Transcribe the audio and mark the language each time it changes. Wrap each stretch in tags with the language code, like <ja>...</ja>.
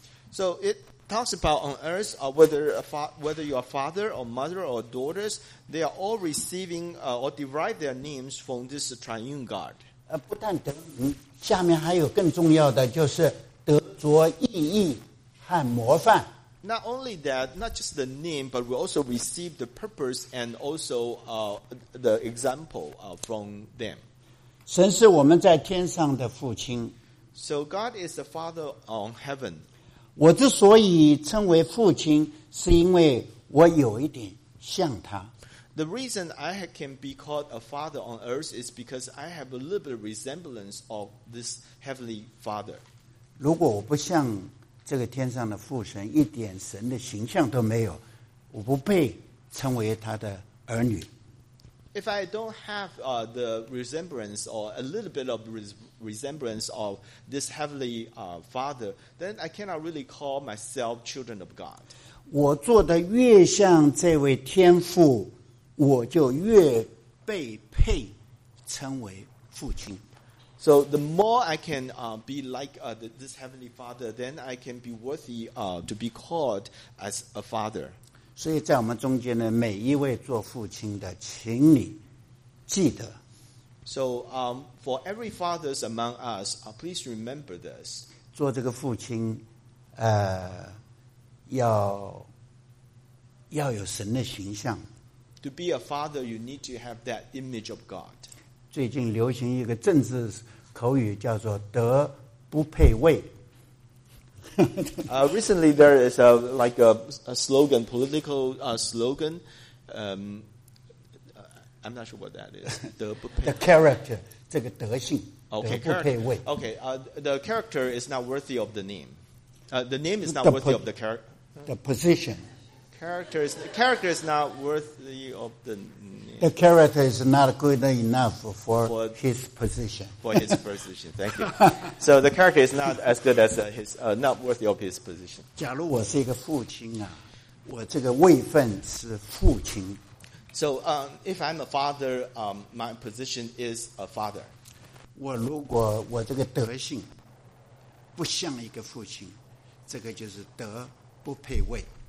<en>So it talks about on earth whether you are father or mother or daughters, they are all receiving or derive their names from this triune God.</en> <zh>不但得名，下面还有更重要的就是得着意义和模范。</zh> <en>Not only that, not just the name, but we also receive the purpose and also the example from them.</en> <zh>神是我们在天上的父亲。</zh> <en>So God is the Father on heaven.</en> <zh>我之所以称为父亲，是因为我有一点像他。</zh> <en>The reason I can be called a father on earth is because I have a little bit of resemblance of this heavenly Father.</en> <zh>如果我不像这个天上的父神，一点神的形象都没有，我不配称为他的儿女。</zh> <en>If I don't have the resemblance or a little bit of resemblance of this heavenly father, then I cannot really call myself children of God.</en> <zh>我做得越像这位天父，我就越被配称为父亲。</zh> <en>So the more I can be like this Heavenly Father, then I can be worthy to be called as a father.</en> <zh>所以在我们中间呢，每一位做父亲的，请你记得。</zh> <en>So for every fathers among us, please remember this.</en> <zh>做这个父亲，要有神的形象。</zh> <en>To be a father, you need to have that image of God.</en> <zh>最近流行一个政治口语叫做德不配位。</zh> <en>recently, there is a slogan, political slogan. I'm not sure what that is. The character,</en> <zh>这个德性,</zh> <en>okay,</en> <zh>德不配位。</zh> <en>Okay, the character is not worthy of the name. The name is not worthy of the character. The position. Character is not worthy of the name. The character is not good enough for his position. For his position, thank you. So the character is not as good as his, not worthy of his position.</en> <zh>假如我是一个父亲啊，我这个位分是父亲。</zh> <en>So if I'm a father, my position is a father.</en> <zh>我如果我这个德性不像一个父亲，这个就是德不配位。</zh>